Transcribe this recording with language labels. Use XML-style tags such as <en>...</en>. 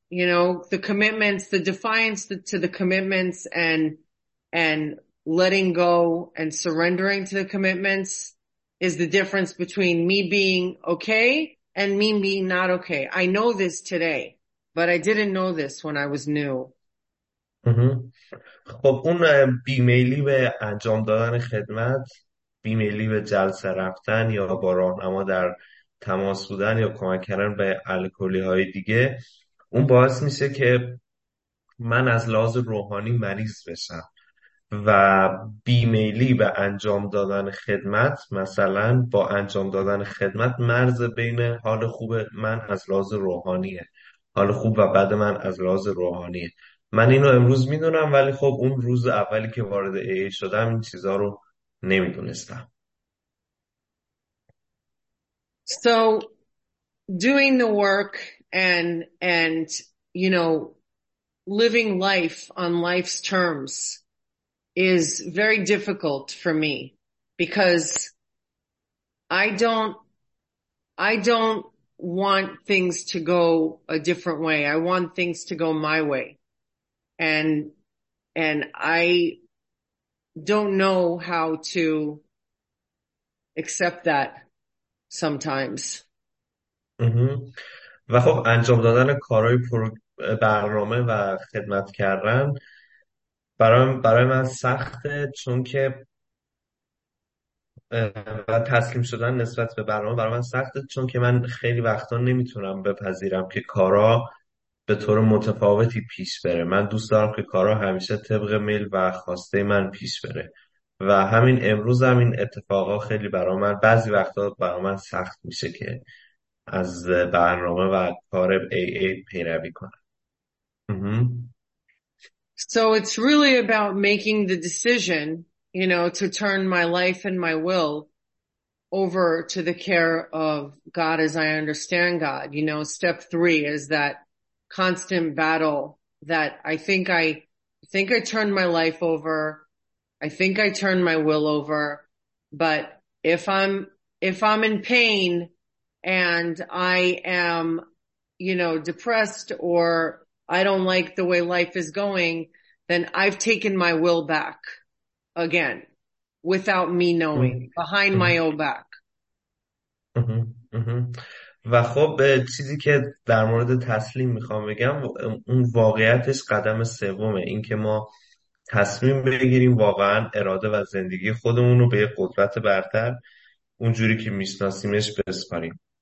<en>You know, the commitments, the defiance to the commitments and letting go and surrendering to the commitments is the difference between me being okay and me being not okay. I know this today, but I didn't know this when I was new.</en> <fa>خب اون بیمیلی به انجام دادن خدمت، بیمیلی به جلسه رفتن یا با راهنما در تماس بودن یا کمک کردن به الکلی های دیگه، اون باعث میشه که من از لحاظ روحانی مریض بشم و بیمیلی به انجام دادن خدمت، مثلا با انجام دادن خدمت مرز بین حال خوب من از لحاظ روحانیه، حال خوب و بد من از لحاظ روحانیه. من اینو امروز میدونم، ولی خب اون روز اولی که وارد AA شدم این چیزها رو نمیدونستم.</fa> <en>So doing the work and you know living life on life's terms is very difficult for me because I don't want things to go a different way. I want things to go my way. And I don't know how to accept that. Sometimes.</en> <fa>و خب انجام دادن کارهای برنامه و خدمت کردن برای من سخته، چون که تسلیم شدن نسبت به برنامه برای من سخته، چون که من خیلی وقتا نمیتونم بپذیرم که کارا به طور متفاوتی پیش بره. من دوست دارم که کارا همیشه طبق میل و خواسته من پیش بره و همین امروز هم این اتفاقا خیلی برای من، بعضی وقتا برای من سخت میشه که از برنامه و کار AA پیروی کنم.</fa> <en>So it's really about making the decision, you know, to turn my life and my will over to the care of God as I understand God. You know, step three is that constant battle that I think I turned my life over. I think I turned my will over, but if I'm in pain and I am, you know, depressed or I don't like the way life is going, then I've taken my will back again without me knowing behind my own back.</en> <fa>و خب چیزی که در مورد تسلیم میخوام بگم، اون واقعیتش قدم سومه، این که ما تصمیم بگیریم واقعا اراده و زندگی خودمون رو به قدرت برتر اونجوری که میشناسیمش بسپاریم.</fa>